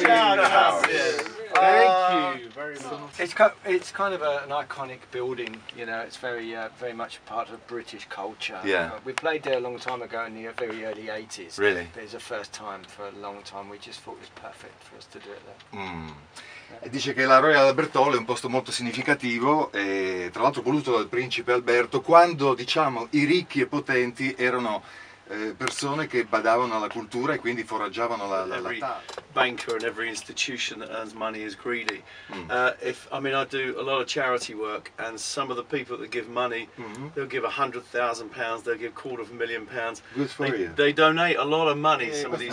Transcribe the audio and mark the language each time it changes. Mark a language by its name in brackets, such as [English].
[English] Thank you very much. It's kind of an iconic building, you know, it's very very much part of British culture. Yeah. We played there a long time ago in the very early 80s. Really? But it's the first time for a long time, we just thought it was perfect for us to do it there. Mm. [Italian] E dice che la Royal Albert Hall è un posto molto significativo, e tra l'altro voluto dal principe Alberto, quando diciamo i ricchi e potenti erano persone che badavano alla cultura e quindi foraggiavano la [English] every banker and every institution that earns money is greedy. I do a lot of charity work, and some of the people that give money, they'll give £100,000, they'll give £250,000. Good for you. They donate a lot of money, some of these